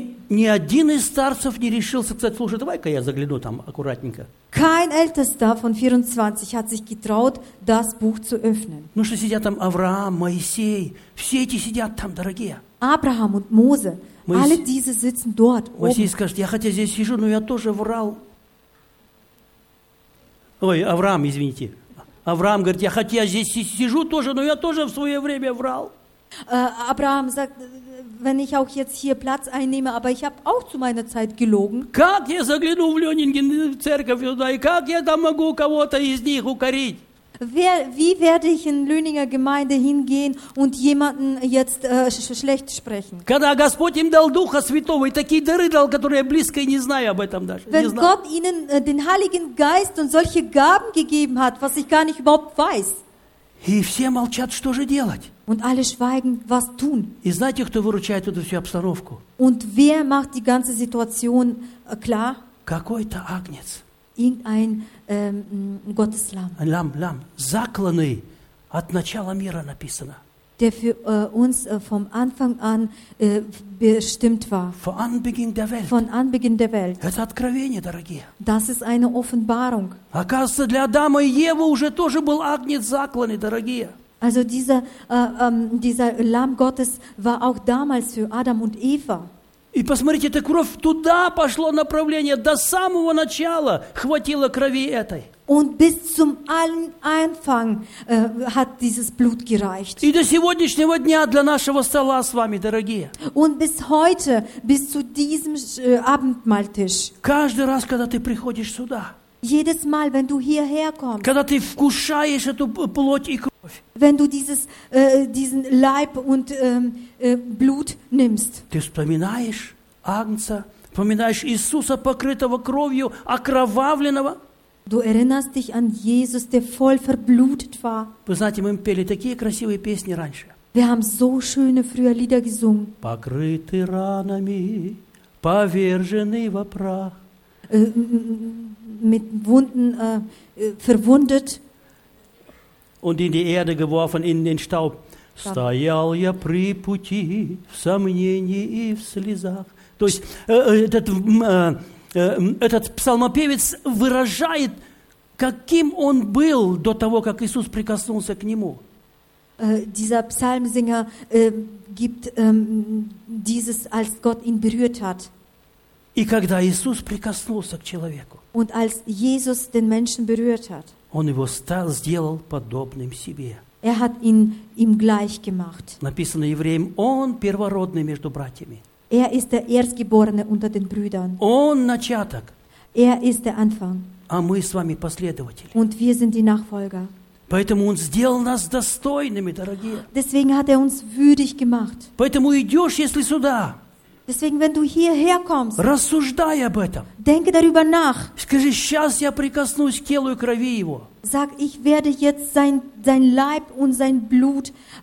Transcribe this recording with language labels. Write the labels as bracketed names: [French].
[Russian] ни один из старцев не решился сказать, слушай, давай-ка я загляну там аккуратненько. [German] Kein Ältester von 24 hat sich getraut, das Buch zu öffnen. [Russian] Ну что сидят там Авраам, Моисей, все эти сидят там, дорогие. [German] Abraham und Mose, alle diese sitzen dort. [Russian] Моисей скажет, я хотя здесь сижу, но я тоже врал. Ой, Авраам, извините. Авраам говорит, я хотя здесь сижу тоже, но я тоже в свое время врал. [German] Abraham sagt, wenn ich auch jetzt hier Platz einnehme, aber ich habe auch zu meiner Zeit gelogen. [Russian] Как я загляну в Ленинген в церковь сюда, и как я там могу кого-то из них укорить? [German] Wie werde ich in Löninger Gemeinde hingehen und jemanden jetzt schlecht sprechen? [Russian] Когда Господь им дал Духа Святого и такие дары дал, которые я близко и не знаю об этом даже. [German] Wenn Gott ihnen den Heiligen Geist und solche Gaben gegeben hat, was ich gar nicht überhaupt weiß. [Russian] И все молчат, что же делать? [German] Und alle schweigen, was tun? [Russian] И знаете, кто выручает эту всю обстановку? [German] Und wer macht die ganze Situation klar? [Russian] Какой-то агнец. [German] Irgendein Gotteslamm. Ein Lamm. [Russian] Закланный от начала мира написано. [German] Der für uns vom Anfang an bestimmt war. Von Anbeginn der Welt. Von Anbeginn der Welt. [Russian] Это откровение, дорогие. [German] Das ist eine Offenbarung. [Russian] Оказывается, для Адама и Евы уже тоже был агнец закланный, дорогие. [German] Also dieser Lamm Gottes war auch damals für Adam und Eva. [Russian] И посмотрите, эта кровь туда пошло направление, до самого начала хватило крови этой. [German] Und bis zum Anfang hat dieses Blut gereicht. [Russian] И до сегодняшнего дня для нашего стола с вами, дорогие. [German] Und bis heute, bis zu diesem Abendmahltisch. [Russian] Каждый раз, когда ты приходишь сюда. [German] Jedes Mal, wenn du hierher kommst. [Russian] Когда ты вкушаешь эту плоть и кровь. [German] Wenn du diesen Leib und Blut nimmst. [Russian] Ты вспоминаешь Агнца, вспоминаешь Иисуса, покрытого кровью, окровавленного. [German] Du erinnerst dich an Jesus, der voll verblutet war. [Russian] Вы знаете, мы пели такие красивые песни раньше. [German] Wir haben so schöne früher Lieder gesungen. [Russian] Покрытый ранами, поверженный во прах. [German] Mit Wunden verwundet. Und in die Erde geworfen, in den Staub. [Russian] Стоял я при пути, в сомнении и в слезах. То есть, этот псалмопевец выражает, каким он был до того, как Иисус прикоснулся к нему. [German] Dieser Psalmsinger gibt dieses, als Gott ihn berührt hat. [Russian] И когда Иисус прикоснулся к человеку, [German] und als Jesus den Menschen berührt hat, [Russian] он его стал, сделал подобным себе. [German] Er hat ihn ihm gleich gemacht. [Russian] Написано евреям, он первородный между братьями. [German] Er ist der Erstgeborene unter den Brüdern. [Russian] Он начаток. [German] Er ist der Anfang. [Russian] А мы с вами последователи. [German] Und wir sind die Nachfolger. [Russian] Поэтому он сделал нас достойными, дорогие. [German] Deswegen hat er uns würdig gemacht. [Russian] Поэтому идешь, если сюда. [German] Deswegen, wenn du hierher kommst, [Russian] рассуждай об этом. [German] Denke darüber nach. [Russian] Скажи, сейчас я прикоснусь к телу и крови его. [German] Sag, ich werde jetzt sein Leib und sein Blut